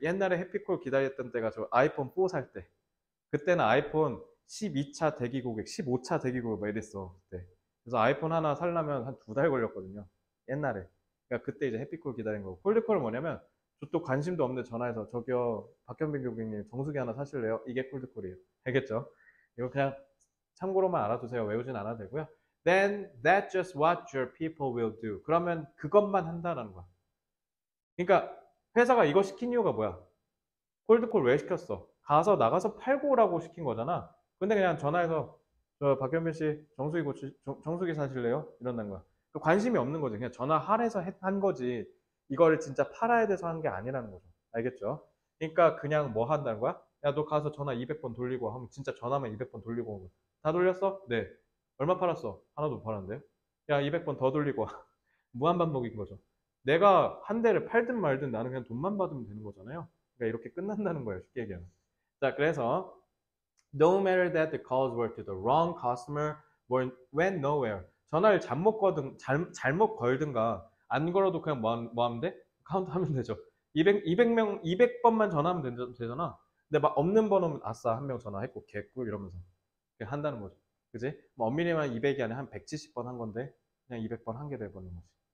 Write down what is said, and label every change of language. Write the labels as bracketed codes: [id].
[ko] 옛날에 해피콜 기다렸던 때가 저 아이폰 4살 때. 그때는 아이폰 12차 대기 고객, 15차 대기 고객 막 이랬어. 그때. 그래서 아이폰 하나 살려면 한두달 걸렸거든요. 옛날에. 그러니까 그때 이제 해피콜 기다린 거고. 콜드콜은 뭐냐면 저쪽 관심도 없는데 전화해서 저기요, 박현빈 고객님, 정수기 하나 사실래요? 이게 콜드콜이에요. 알겠죠? 이거 그냥 참고로만 알아두세요. 외우진 않아도 되고요. [en] Then that's just what your people will do. [ko] 그러면 그것만 한다는 거야. 그러니까 회사가 이거 시킨 이유가 뭐야? 콜드콜 왜 시켰어? 가서 나가서 팔고 오라고 시킨 거잖아. 근데 그냥 전화해서 저 박현빈 씨 정수기 사실래요? 이런다는 거야. 관심이 없는 거지. 그냥 전화하래서 한 거지. 이거를 진짜 팔아야 돼서 한게 아니라는 거죠. 알겠죠? 그러니까 그냥 뭐 한다는 거야? 야, 너 가서 전화 200번 돌리고 하면 진짜 전화만 200번 돌리고 하면 다 돌렸어? 네. 얼마 팔았어? 하나도 못 팔았는데. 야, 200번 더 돌리고. 무한반복인 거죠. 내가 한 대를 팔든 말든 나는 그냥 돈만 받으면 되는 거잖아요. 그러니까 이렇게 끝난다는 거예요, 쉽게 얘기하면. 자, 그래서 [en] No matter that the calls were to the wrong customer, went nowhere. [ko] 전화를 잘못 걸든가 안 걸어도 그냥 뭐 하면 돼? 카운트 하면 되죠. 200번만 전화하면 되잖아. 근데 막 없는 번호면 아싸 한명 전화했고 개꿀 이러면서 그냥 한다는 거죠. 그지? 뭐 엄밀히만 200이 아니라 한 170번 한 건데 그냥 200번 한게 돼버리는 거지.